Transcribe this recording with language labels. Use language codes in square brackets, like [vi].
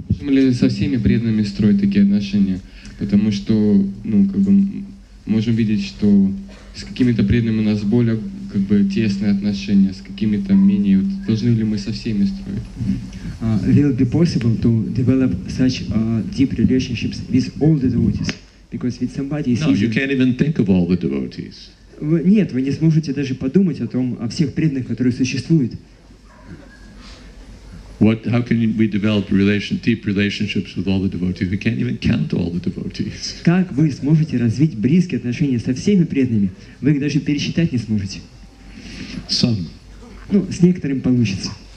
[ru] ли со всеми преданными строить такие отношения? Потому что, ну, как бы, можем видеть, что с какими-то преданными у нас более, как бы, тесные отношения, с какими-то менее, вот, должны ли мы со всеми строить? [en] Will it be possible to develop such deep relationships with all the devotees? Because with somebody is no, easy. You can't even think of all the devotees. [ru] Нет, вы не сможете даже подумать о том, о всех преданных, которые существуют. [en] What, how can we develop relation, deep relationships with all the devotees? We can't even count all the devotees. [ru] Как вы сможете развить близкие отношения со всеми преданными? Вы их даже пересчитать не сможете. [en] Some. [ru] Ну, с некоторым получится.